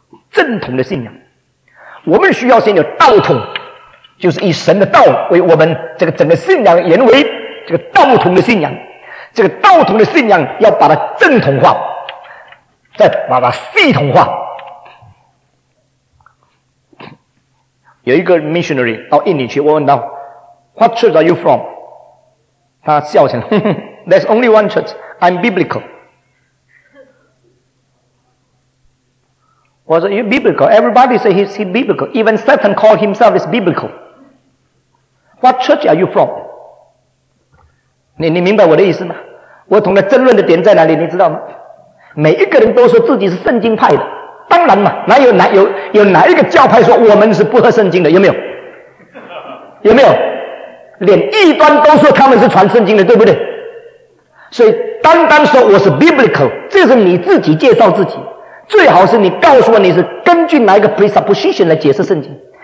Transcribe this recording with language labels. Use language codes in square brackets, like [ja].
[zh] 正统的信仰，我们需要先有道统，就是以神的道为我们这个整个信仰原为这个道统的信仰。这个道统的信仰要把它正统化，再把它系统化。有一个 missionary 到印尼去，我问到 [en] What church are you from？ [zh] 他笑起来 [en] There's only one church， I'm biblical。 [zh] 我说 [en] You're biblical， Everybody say he's biblical， Even Satan call himself is biblical。 What church are you from？ [zh] 你明白我的意思吗？我同他争论的点在哪里你知道吗？每一个人都说自己是圣经派的，当然嘛，哪有哪一个教派说我们是不合圣经的？有没有？有没有？连异端都说他们是传圣经的，对不对？所以单单说我是 biblical， 这是你自己介绍自己，最好是你告诉我你是根据哪一个 presupposition 来解释圣经。